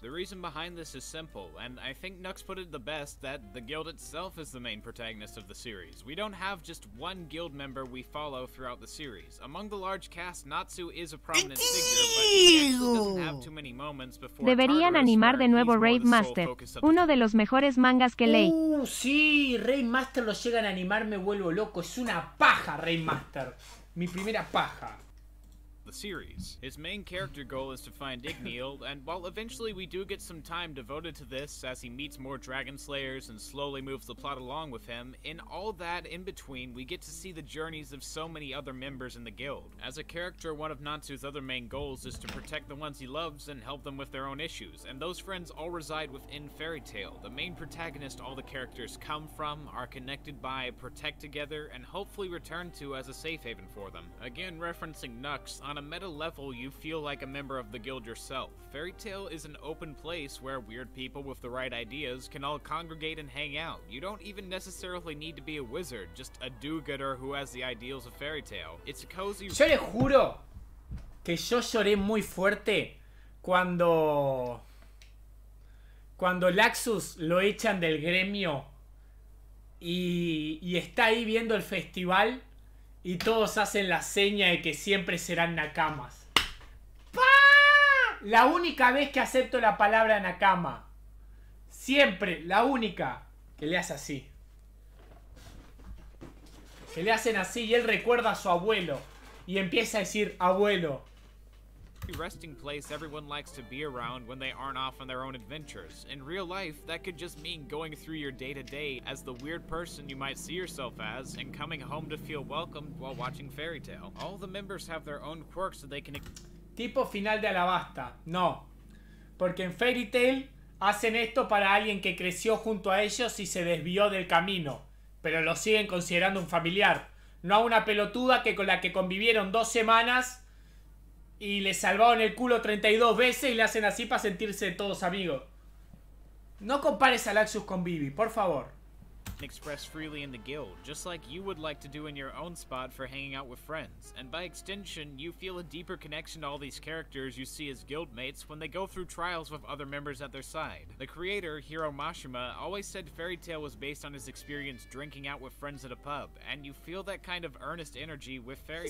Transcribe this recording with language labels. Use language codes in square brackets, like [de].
[en] The reason behind this is simple, and I think Nux put it the best, that the guild itself is the main protagonist of the series. We don't have just one guild member we follow throughout the series. Among the large cast, Natsu is a prominent figure, but he doesn't have too many moments before. [es] Deberían animar de nuevo Rave Master. Uno de los mejores mangas que leí. Sí, Rain Master lo llegan a animar, me vuelvo loco. Es una paja, Rain Master. Mi primera paja. [en] The series. His main character goal is to find Igneel, and while eventually we do get some time devoted to this as he meets more dragon slayers and slowly moves the plot along with him, in all that in between, we get to see the journeys of so many other members in the guild. As a character, one of Natsu's other main goals is to protect the ones he loves and help them with their own issues, and those friends all reside within Fairy Tail, the main protagonist all the characters come from, are connected by, protect together, and hopefully return to as a safe haven for them. Again, referencing Nux, on a meta level, you feel like a member of the guild yourself. Fairy Tail is an open place where weird people with the right ideas can all congregate and hang out. You don't even necessarily need to be a wizard, just a do-gooder who has the ideals of Fairy Tail. It's a cozy. [es] Yo le juro que yo lloré muy fuerte cuando. cuando Laxus lo echan del gremio y está ahí viendo el festival y todos hacen la seña de que siempre serán nakamas. ¡Pa! La única vez que acepto la palabra nakama. Siempre, la única que le hace así. Que le hacen así y él recuerda a su abuelo y empieza a decir abuelo. [en] Resting place everyone likes to be around when they aren't off on their own adventures. In real life, that could just mean going through your day-to-day as the weird person you might see yourself as and coming home to feel welcomed while watching Fairy Tale. All the members have their own quirks that they can... [es] Tipo final de alabasta. No. Porque en Fairy Tale hacen esto para alguien que creció junto a ellos y se desvió del camino. Pero lo siguen considerando un familiar. No a una pelotuda que con la que convivieron 2 semanas... Y le salvaron el culo 32 veces y le hacen así para sentirse todos amigos. No compares a Laxus con Vivi, por favor. [en] Express freely in the guild, just like you would like to do in your own spot for hanging out with friends. And by extension, you feel a deeper connection to all these characters you see as guildmates when they go through trials with other members at their side. The creator, Hiro Mashima, always said Fairy Tail was based on his experience drinking out with friends at a pub, and you feel that kind of earnest energy with Fairy